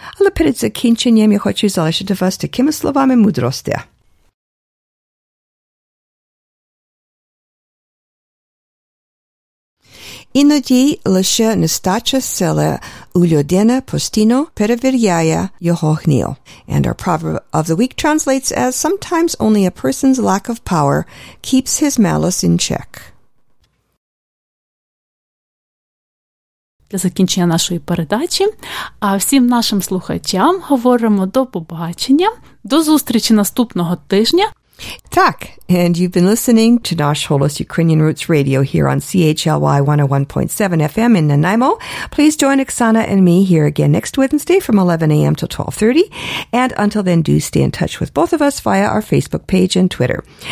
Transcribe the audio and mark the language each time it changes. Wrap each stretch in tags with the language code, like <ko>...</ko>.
<uk>Але перед закінченням я хочу залишити вас такими словами мудрості. Іноді лише нестача сили у людини постійно перевіряє його гніл.</uk> <en>And our proverb of the week translates as, sometimes only a person's lack of power keeps his malice in check.</en> <uk>Для закінчення нашої передачі. А всім нашим слухачам говоримо до побачення. До зустрічі наступного тижня.</uk> <en>Так, and you've been listening to Nash Holos Ukrainian Roots Radio here on CHLY 101.7 FM in Nanaimo. Please join Oksana and me here again next Wednesday from 11 a.m. till 12:30. And until then, do stay in touch with both of us via our Facebook page and Twitter.</en>